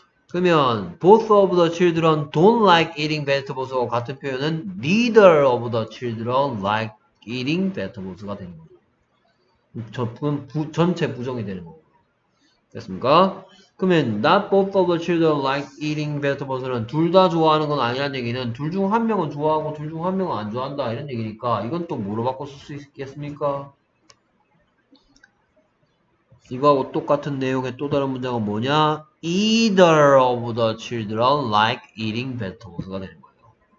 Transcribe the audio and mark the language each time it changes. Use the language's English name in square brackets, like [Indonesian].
[Korean] 그러면 [English] both of the children don't like eating vegetables [Korean] 같은 표현은 [English] neither of the children like eating vegetables가 [Korean] 되는 거예요. 전체 부정이 되는 거예요. 됐습니까? 그러면 [English] not both of the children like eating vegetables [Korean] 는 둘 다 좋아하는 건 아니라는 얘기는 둘 중 한 명은 좋아하고 둘 중 한 명은 안 좋아한다 이런 얘기니까 이건 또 뭐로 바꿀 수 있겠습니까? 이거하고 똑같은 내용의 또 다른 문장은 뭐냐? [English] Either of the children like eating vegetables가 [Korean] 되는 거예요.